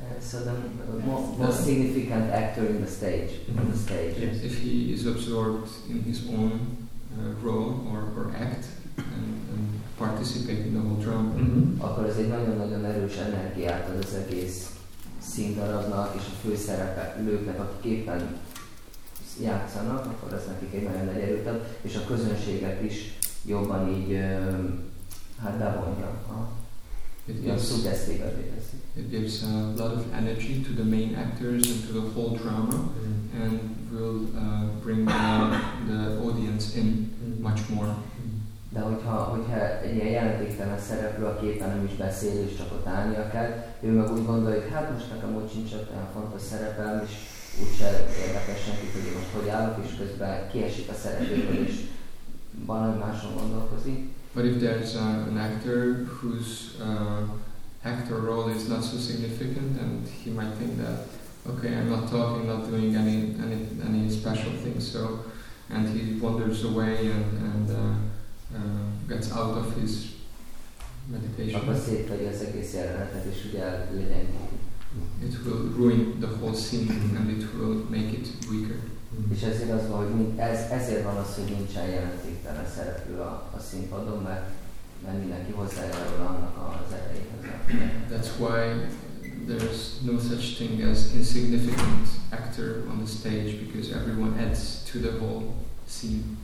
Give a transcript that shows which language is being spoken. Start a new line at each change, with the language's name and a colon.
English: So the most significant actor in the stage. In the stage. Yes, if he is absorbed in his own role or act and participate in the whole drama. Mm-hmm.
Hungarian: Akkor ez egy nagyon-nagyon erős energiát ad az egész színdarabnak és a főszereplőknek, akik éppen játszanak, akkor ez nekik egy nagyon nagy erőt ad, és a közönséget is jobban így hát bevonja.
English: It gives a lot of energy to the main actors and to the whole drama, and will bring the audience in much more.
Hungarian: De hogyha egy ilyen jelentéktelen szereplő, aki éppen nem is beszél, és csak ott állnia kell, ő meg úgy gondolja, hogy hát most nekem úgy sincs olyan fontos szerepem, és úgyse érdekes senki, hogy most hogy állok, és közben kiesik a szerepéből, és valami máson gondolkozik.
English: But if there's an actor whose actor role is not so significant, and he might think that, okay, I'm not talking, not doing any special thing, so, and he wanders away and gets out of his meditation. It will ruin the whole scene and it will make it weaker.
Hungarian: És ezért az van, hogy ezért van az, hogy nincsen jelentéktelen szereplő a színpadon, mert mindenki hozzájárul annak az erejéhez.
English: That's why there's no such thing as insignificant actor on the stage, because everyone adds to the whole scene.